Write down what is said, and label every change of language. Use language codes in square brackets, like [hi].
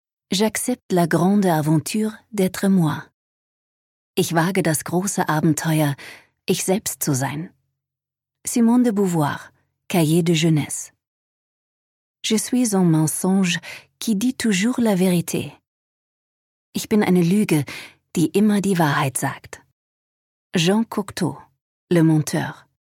[fr] J'accepte la grande aventure d'être moi. [de] Ich wage das große Abenteuer, ich selbst zu sein. [fr] Simone de Beauvoir, Cahier de jeunesse. Je suis un mensonge qui dit toujours la vérité. [de] Ich bin eine Lüge, die immer die Wahrheit sagt. [fr] Jean Cocteau, Le Menteur.